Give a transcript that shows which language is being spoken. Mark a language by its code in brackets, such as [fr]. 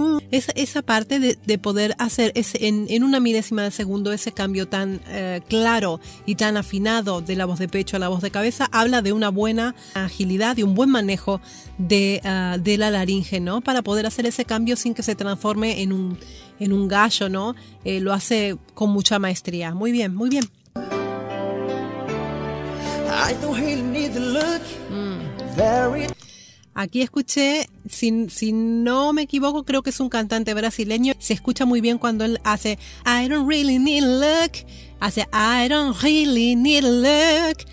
[es] Esa parte de poder hacer en una milésima de segundo ese cambio tan claro y tan afinado de la voz de pecho a la voz de cabeza habla de una buena agilidad y un buen manejo de la laringe, ¿no? Para poder hacer ese cambio sin que se transforme en un gallo, ¿no? Lo hace con mucha maestría. Muy bien, muy bien. [en] I don't really need to look. [es] Aquí escuché, si no me equivoco, creo que es un cantante brasileño. Se escucha muy bien cuando él hace [en] I don't really need luck. [es] Hace [en] I don't really need luck.